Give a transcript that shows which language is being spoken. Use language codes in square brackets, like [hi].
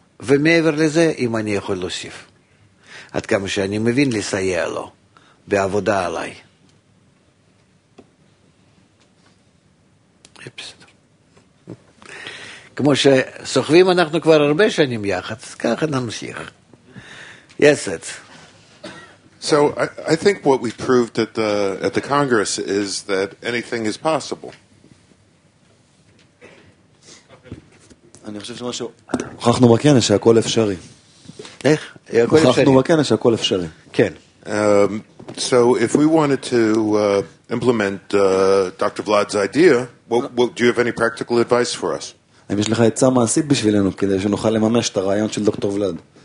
[he] ומעבר לזה, אם אני יכול להוסיף. עד כמה שאני מבין לסייע לו, בעבודה עליי. איפס. כמו שסוחבים אנחנו כבר הרבה שנים יחד, ככה נמשיך. [en] Yes, it's. So I think what we proved at the Congress is that anything is possible. [he] אני חושב שמשהו... הוכחנו בכנס שהכל אפשרי. איך? הוכחנו בכנס שהכל אפשרי. כן. [en] So if we wanted to implement Dr. Vlad's idea, what do you have any practical advice for us? [he] האם יש לך יצא מעשית בשבילנו כדי שנוכל לממש את הרעיון של דוקטור ולד?